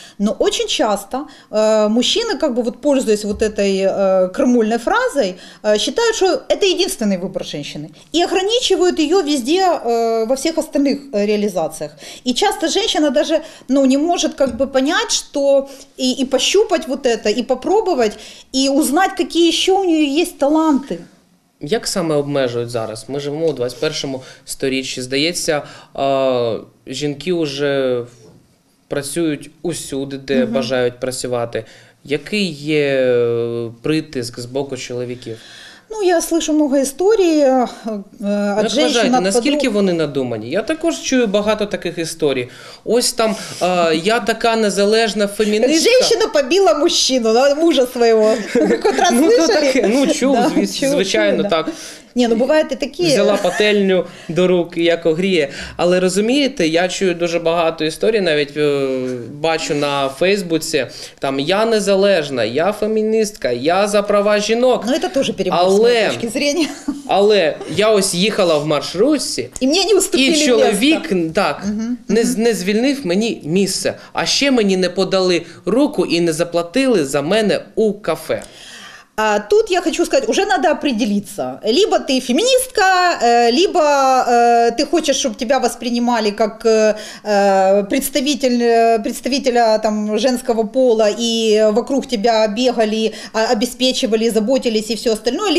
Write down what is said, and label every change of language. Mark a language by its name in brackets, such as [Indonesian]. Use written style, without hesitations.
[Russian] Но очень часто мужчины, как бы вот пользуясь вот этой крамольной фразой, считают, что это единственный выбор женщины. И ограничивают ее везде, во всех остальных реализациях. И часто женщина даже, ну, не может как бы понять, что и пощупать вот это, и попробовать, и узнать, какие еще у нее есть таланты. [Ukrainian] Як саме обмежують зараз? Ми живемо у 21-му сторіччі. Здається, жінки вже працюють усюди, де бажають працювати. Який є притиск з боку чоловіків? [Russian] Ну, я слышу много історій. [Ukrainian] Як вважаєте, наскільки вони надумані? Я також чую багато таких історій. Ось там, я така незалежна феміністка. [Russian] Женщина побила мужчину, да, мужа свого. [Ukrainian] Ну, то таке. Ну, чув, да, звичайно, чув, так. Ні, ну бувають і такі. Взяла пательню до рук, як огріє. Але розумієте, я чую дуже багато історій, навіть бачу на Фейсбуці, там, я незалежна, я феміністка, я за права жінок. Ну, це теж перебор, але, з моєї точки зрення. Але я ось їхала в маршрутці, і мені не уступили місце. І чоловік, місце. Так, не звільнив мені місце. А ще мені не подали руку і не заплатили за мене у кафе. [Russian] А тут я хочу сказать, уже надо определиться. Либо ты феминистка, либо ты хочешь, чтобы тебя воспринимали как представителя там, женского пола, и вокруг тебя бегали, обеспечивали, заботились и все остальное.